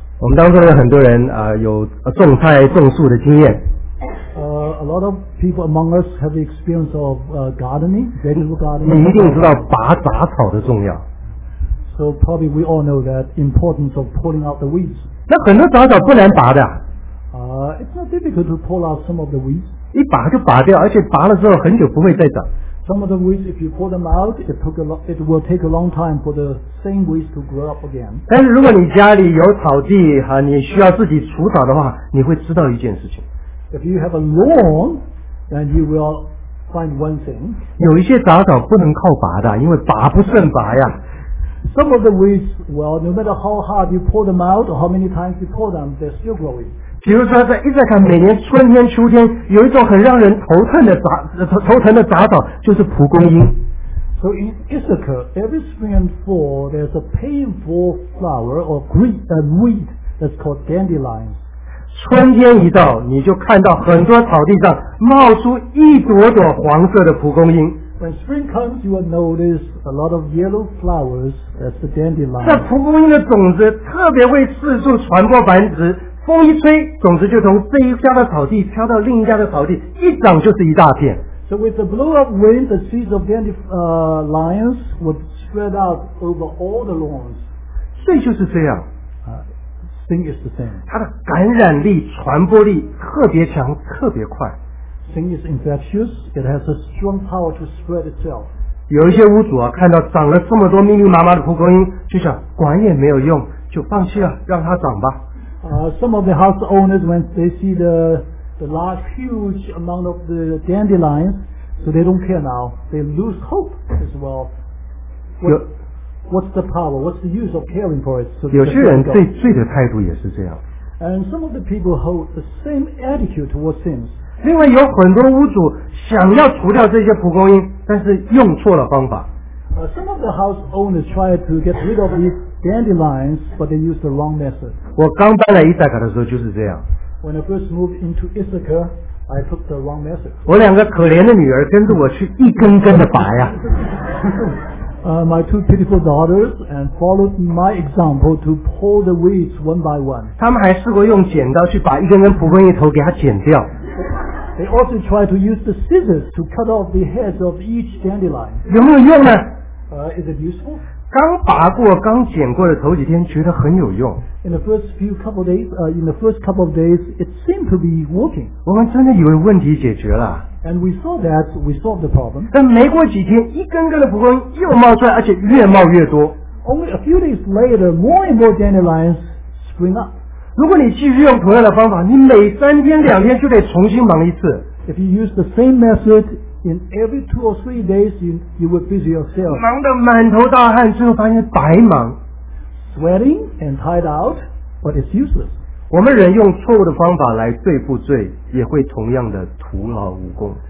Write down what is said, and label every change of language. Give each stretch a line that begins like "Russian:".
Chinese: 我们当中有很多人有种菜种树的经验。
English: A lot of people among us have the experience of gardening, vegetable gardening.
Chinese: 你一定知道拔杂草的重要。
English: So probably we all know that importance of pulling out the weeds.
Chinese: 那很多杂草不难拔的。
English: It's not difficult to pull out some of the weeds.
Chinese: 一拔就拔掉，而且拔了之后很久不会再长。
English: Some of the weeds, if you pull them out, it will take a long time for the same weeds to grow up again.
Chinese: 但是如果你家里有草地哈，你需要自己除草的话，你会知道一件事情。
English: If you have a lawn, then you will find one thing.
Chinese: 有一些杂草不能靠拔的，因为拔不胜拔呀。
English: Some of the weeds, well, no matter how hard you pull them out or how many times you pull them, they're still growing.
Chinese: 比如说在一直看每年春天秋天有一种很让人头疼的杂草就是蒲公英。
English: So in Issachar, every spring and fall, there's a painful flower or green weed that's called dandelions.
Chinese: 春天一到，你就看到很多草地上冒出一朵朵黄色的蒲公英。
English: When spring comes, you will notice a lot of yellow flowers. That's the dandelion.
Chinese: 这蒲公英的种子特别会四处传播繁殖，风一吹，种子就从这一家的草地飘到另一家的草地，一长就是一大片。
English: So with the blow of wind, the seeds of dandelions would spread out over all the lawns.
Chinese: 所以就是这样。
English: Thing is the same.
Chinese: 它的感染力、传播力特别强，特别快。
English: Thing is infectious. It has a strong power to spread itself.
Chinese: 有一些屋主啊，看到长了这么多密密麻麻的蒲公英，就想管也没有用，就放弃了，让它长吧。
English: Some of the house owners, when they see the large, huge amount of the dandelions, so they don't care now. They lose hope as well. What's the power? What's the use of caring for it? So
Chinese: 有些人对罪的态度也是这样。
English: And some of the people hold the same attitude towards sins.
Chinese: 另外有很多屋主想要除掉这些蒲公英，但是用错了方法。
English: Some of the house owners try to get rid of these dandelions, but they use the wrong method.
Chinese: 我刚搬来伊萨卡的时候就是这样。
English: When I first moved into Issachar, I took the wrong method.
Chinese: 我两个可怜的女儿跟着我去一根根的拔呀。
English: My two pitiful daughters and followed my example to pull the weeds one by one.
Chinese: 他们还试过用剪刀去把一根根蒲公英头给它剪掉。
English: They also try to use the scissors to cut off the heads of each dandelion.
Chinese: 有没有用呢？
English: Is it useful?
Chinese: 刚拔过、刚剪过的头几天觉得很有用。
English: In the first couple of days, it seemed to be working.
Chinese: 我们真的以为问题解决了。
English: And we saw that we solved the problem.
Chinese: 但没过几天，一根根的蒲公英又冒出来，而且越冒越多。
English: Only a few days later, more and more dandelions spring up.
Chinese: 如果你继续用同样的方法，你每三天两天就得重新忙一次。
English: If you use the same method in every two or three days you will busy yourself.
Chinese: 忙得满头大汗，最后发现白忙。
English: Sweating and tired out, but it's useless.
Chinese: 我们人用错误的方法来对付罪，也会同样的徒劳无功。